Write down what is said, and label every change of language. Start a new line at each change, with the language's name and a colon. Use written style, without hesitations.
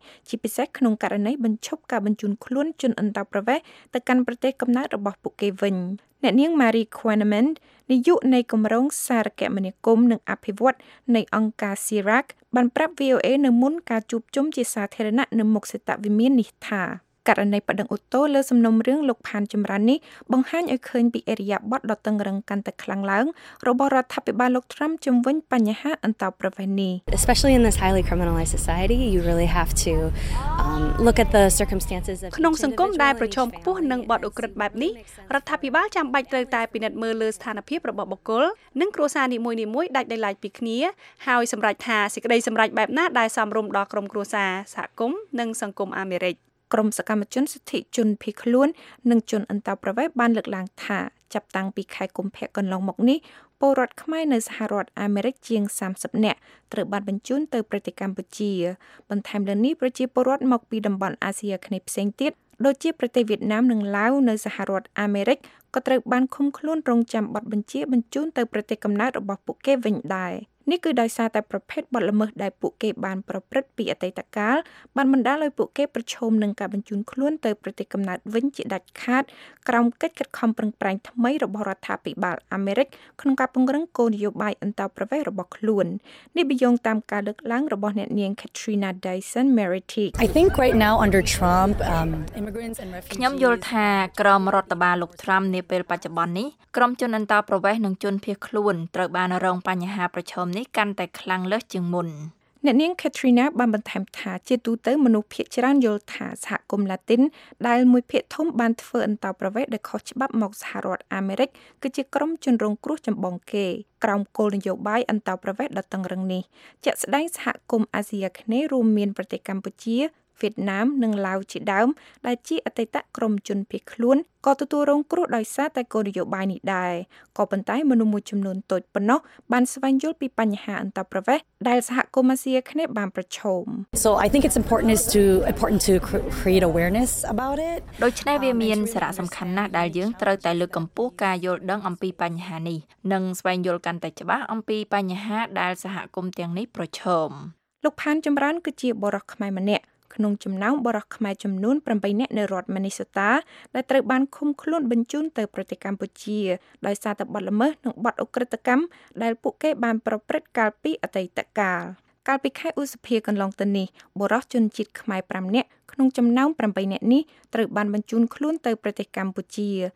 Khmer: ជាពិសេសក្នុងករណីបញ្ឈប់ការបញ្ជូនខ្លួនជនអន្តរប្រវេសន៍ទៅកាន់ប្រទេសកំណើតរបស់ពួកគេវិញអ្នកនាង Marie Quinneman នាយកនៃគម្រោងសារគមនាគមន៍និងអភិវឌ្ឍនៃអង្គការ CIRAC បានប្រាប់ VOA នៅមុនការជួបជុំជាសាធារណៈនៅមុខសេតវិមាននេះថាករណីប៉ណ្ដឹងអូតូលើសំណុំរឿងលោកផានចម្រើននេះបង្ហាញឲ្យឃើញពីអរិយាប័ត្រដ៏តឹងរឹងកាន់តែខ្លាំងឡើងរបស់រដ្ឋាភិបាលលោក Trump ជំវិញបញ្ហាអន្តរប្រវេសន៍នេះ
English: Especially in this highly criminalized society you really have to look at the circumstances
Khmer: ក្នុងសង្គមដែលប្រឈមខ្ពស់នឹងបទឧក្រិដ្ឋបែបនេះរដ្ឋាភិបាលចាំបាច់ត្រូវតែពិនិត្យមើលលើស្ថានភាពរបស់បុគ្គលនិងគ្រួសារនីមួយៗដាច់ដោយឡែកពីគ្នាហើយសម្រេចថាសេចក្តីសម្រេចបែបណាដែលសមរម្យដល់ក្រុមគ្រួសារសហគមន៍និងសង្គមអាមេរិក ក្រមសកម្មជនសិទ្ធិជនភៀសខ្លួននិងជនអន្តោប្រវេសន៍បានលើកឡើងថាចាប់តាំងពីខែកុម្ភៈកន្លងមកនេះពលរដ្ឋខ្មែរនៅសហរដ្ឋអាមេរិកជាង30នាក់ត្រូវបានបញ្ជូនទៅប្រទេសកម្ពុជា បន្ថែមលើនេះប្រជាពលរដ្ឋមកពីតំបន់អាស៊ីអាគ្នេយ៍ផ្សេងទៀតដូចជាប្រទេសវៀតណាមនិងឡាវនៅសហរដ្ឋអាមេរិកក៏ត្រូវបានឃុំខ្លួនរងចាំបទបញ្ជាបញ្ជូនទៅប្រទេសកំណើតរបស់ពួកគេវិញដែរនេះគឺដោយសារតែប្រភេទបទល្មើសដែលពួកគេបានប្រព្រឹត្តពីអតីតកាលបានបណ្ដាលឲ្យពួកគេប្រឈមនឹងការបញ្ជូនខ្លួនទៅប្រទេសកំណើតវិញជាដាច់ខាត ក្រោមកិច្ចខិតខំប្រឹងប្រែងថ្មីរបស់រដ្ឋាភិបាលអាមេរិកក្នុងការពង្រឹងគោលនយោបាយអន្តរប្រវេសន៍របស់ខ្លួននេះបយងតាមការលើកឡើងរបស់អ្នកនាង Katrina Dyson Merity
English: I think right now under Trump immigrants and refugees
Khmer: ខ្ញុំយល់ថាក្រមរដ្ឋបាលលោក Trump នាពេលបច្ចុប្បន្ននេះក្រុមជនអន្តរប្រវេសន៍និងជនភៀសខ្លួនត្រូវបានរងបញ្ហាប្រឈមនេះកាន់តែខ្លាំងលើសជាងមុន អ្នកនាង Katrina បានបន្ថែមថាជាទូទៅមនុស្សភាគច្រើនយល់ថាសហគមន៍ឡាទីនដែលមួយភាគធំបានធ្វើអន្តរប្រវេសន៍ដែលខុសច្បាប់មកសហរដ្ឋអាមេរិកគឺជាក្រុមជនរងគ្រោះចម្បងគេក្រោមគោលនយោបាយអន្តរប្រវេសន៍ដ៏តឹងរ៉ឹងនេះជាក់ស្ដែងសហគមន៍អាស៊ីអាគ្នេយ៍រួមមានប្រទេសកម្ពុជា វៀតណាមនិងឡាវជាដើមដែលជាអតីតក្រុមជនភៀសខ្លួនក៏ទទួលរងគ្រោះដោយសារតែគោលនយោបាយនេះដែរក៏ប៉ុន្តែមនុស្សមួយចំនួនតូចប៉ុណ្ណោះបានស្វែងយល់ពីបញ្ហាអន្តរប្រទេសដែលសហគមន៍អាស៊ីគ្នាបានប្រឈម
English: So I think it's important to create awareness about it
Khmer: ដូច្នេះវាមានសារៈសំខាន់ណាស់ដែលយើងត្រូវតែលើកកម្ពស់ការយល់ដឹងអំពីបញ្ហានេះនិងស្វែងយល់កាន់តែច្បាស់អំពីបញ្ហាដែលសហគមន៍ទាំងនេះប្រឈម លោកផានចម្រើនគឺជាបុរសខ្មែរម្នាក់ក្នុងចំណោមបរិសុទ្ធខ្មែរចំនួន8នាក់នៅរដ្ឋមីនីសូតាដែលត្រូវបានឃុំខ្លួនបញ្ជូនទៅប្រទេសកម្ពុជាដោយសារតែបទល្មើសនិងបទឧក្រិដ្ឋកម្មដែលពួកគេបានប្រព្រឹត្តកាលពីអតីតកាលកាលពីខែឧសភាកន្លងទៅនេះបរិសុទ្ធជនជាតិខ្មែរ5នាក់ក្នុងចំណោម8នាក់នេះត្រូវបានបញ្ជូនខ្លួនទៅប្រទេសកម្ពុជា